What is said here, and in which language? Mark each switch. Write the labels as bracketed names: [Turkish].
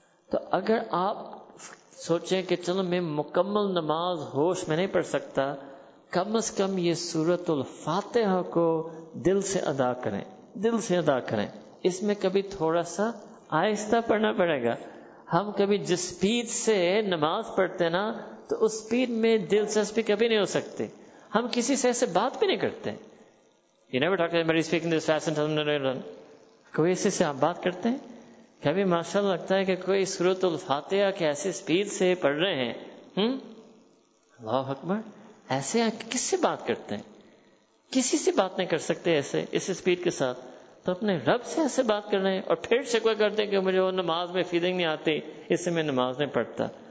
[Urdu] تو اگر آپ سوچیں کہ چلو میں مکمل نماز ہوش میں نہیں پڑھ سکتا, کم از کم یہ سورۃ الفاتحہ کو دل سے ادا کریں, دل سے ادا کریں. اس میں کبھی تھوڑا سا آہستہ پڑھنا پڑے گا. ہم کبھی جس سپیڈ سے نماز پڑھتے نا تو اس سپیڈ میں دل سے بھی کبھی نہیں ہو سکتے. ہم کسی سے ایسے بات بھی نہیں کرتے. [English] You never talk to anybody speaking this fast and tell them, no, no, no. [Urdu] کوئی ایسے سے آپ بات کرتے ہیں؟ کبھی ماشاء اللہ لگتا ہے کہ کوئی سورۃ الفاتحہ کے ایسی سپیڈ سے پڑھ رہے ہیں. اللہ اکبر, ایسے آپ کس سے بات کرتے ہیں؟ کسی سے بات نہیں کر سکتے ایسے اس سپیڈ کے ساتھ. تو اپنے رب سے ایسے بات کر رہے ہیں اور پھر شکوہ کرتے ہیں کہ مجھے وہ نماز میں فیلنگ نہیں آتی, اس سے میں نماز نہیں پڑھتا.